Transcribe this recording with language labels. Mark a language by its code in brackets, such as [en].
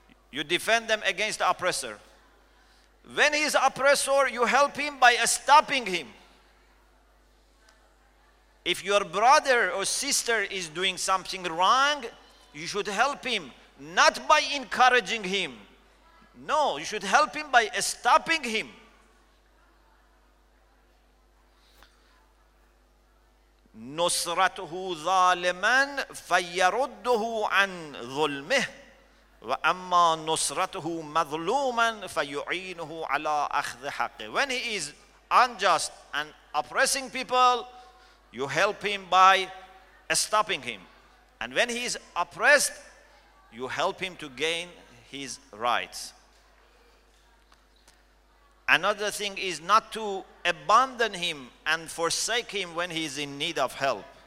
[en] You defend them against the oppressor. When he is oppressor, you help him by stopping him. If your brother or sister is doing something wrong, you should help him, not by encouraging him. No, you should help him by stopping him. [ar] نصرته ظالما فيرده عن ظلمه وأما نصرته مظلوما فيعينه على أخذ حقه. [en] When he is unjust and oppressing people, you help him by stopping him. And when he is oppressed, you help him to gain his rights. Another thing is not to abandon him and forsake him when he is in need of help.